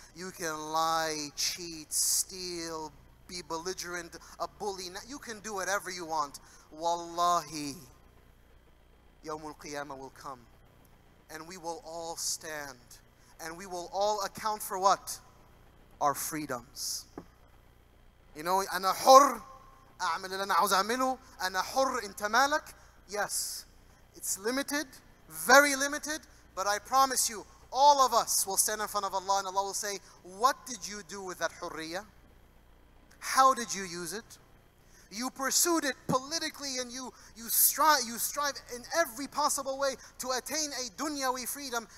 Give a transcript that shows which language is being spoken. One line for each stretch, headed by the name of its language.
English: You can lie, cheat, steal, be belligerent, a bully. You can do whatever you want. Wallahi, Yawmul Qiyamah will come. And we will all stand. And we will all account for what? Our freedoms. You know,
Arabic: أنا حر أعمل اللي أنا عاوز أعمله أنا حر إن تمالك.
English: Yes, it's limited, very limited. But I promise you, all of us will stand in front of Allah and Allah will say, what did you do with that حرية? How did you use it? You pursued it politically and you strive in every possible way to attain a dunyawi freedom.